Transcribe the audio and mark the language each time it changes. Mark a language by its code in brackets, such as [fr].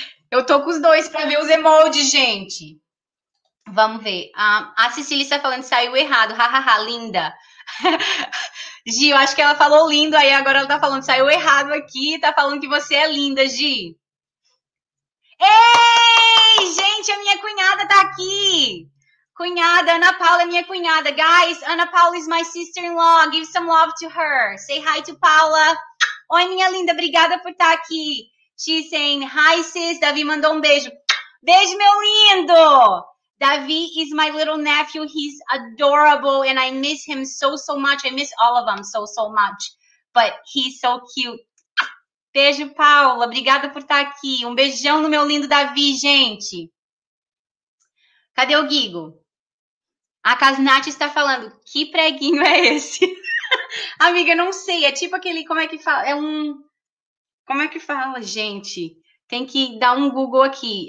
[pt] Eu tô com os dois pra ver os emojis, gente. Vamos ver. A Cecília está falando que saiu errado. Ha, ha, ha, linda. Gi, eu acho que ela falou lindo, aí agora ela tá falando, saiu errado aqui, tá falando que você é linda, Gi. Ei, gente, a minha cunhada tá aqui. Cunhada, Ana Paula é minha cunhada. [en] Guys, Ana Paula is my sister-in-law. Give some love to her. Say hi to Paula. Oi, minha linda, obrigada por estar aqui. She's saying hi, sis. [pt] Davi mandou um beijo. Beijo, meu lindo. [en] Davi is my little nephew. He's adorable and I miss him so, so much. I miss all of them so, so much. But he's so cute. Beijo, Paula. [pt] Obrigada por estar aqui. Um beijão no meu lindo Davi, gente. Cadê o Guigo? A Casnath está falando, que preguinho é esse? Amiga, não sei, é tipo aquele, como é que fala? É um, como é que fala, gente? Tem que dar um Google aqui.